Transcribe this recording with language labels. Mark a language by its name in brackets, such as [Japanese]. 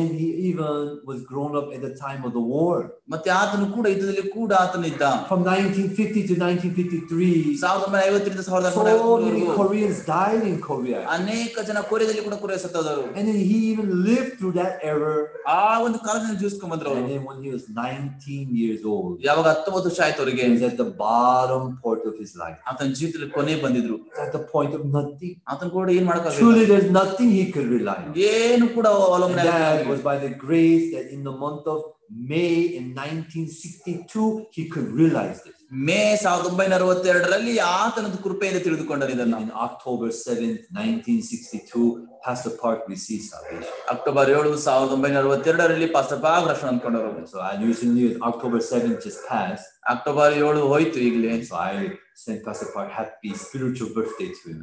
[English] And he even was grown up at the time of the war. [Kannada] ಮತ್ತೆ ಆತನು ಕೂಡ ಇದರಲ್ಲಿ ಕೂಡ ಆತನ ಇದ್ದ. [English] From 1950 to 1953. So many Koreans died in Korea. [Kannada] ಅನೇಕ ಜನ ಕೊರಿಯಾದಲ್ಲಿ ಕೂಡ ಕೊರಿಯಾ ಸತ್ತವರು. [English] And then he even lived through that error. [Kannada] ಆ ಒಂದು ಕಾಲದಲ್ಲಿ ಜೀವಿಸ್ಕೊಂಡ್ರು. [English] And then when he was 19 years old. [Kannada] ಯಾವಾಗ 19 ವರ್ಷ ಆಯ್ತು ಅವರಿಗೆ. [English] He was at the bottom point of his life. [Kannada] ಆತನ ಜೀವಿತದ ಕೊನೆ ಬಂದಿದ್ರು. [English] At the point of nothing. [Kannada] ಆತನ ಕೂಡ ಏನು ಮಾಡಕಾಗಲಿಲ್ಲ. [English] Truly there's nothing he could rely on. [Kannada] ಏನು ಕೂಡ ಅವಲಂಬನೆ ಇಲ್ಲ. [English] That was by the grace that in the month of May in 1962 he could realize this. [Kannada] May 1962 ಆತನ ಕೃಪೆಯಿಂದ ತಿಳಿದುಕೊಂಡನು. ಇದನ್ನು [English] October 7th 1962 pastor Park received salvation. [Kannada] October 7th 1962 pastor park ರಕ್ಷಣೆ ಅಂದ್ಕೊಂಡರು. [English] so I knew seen you October 7th just pass [Kannada] October 7 ಹೋಯ್ತು ಈಗಲೇ. [English] So I sent pastor Park happy spiritual birthday to you.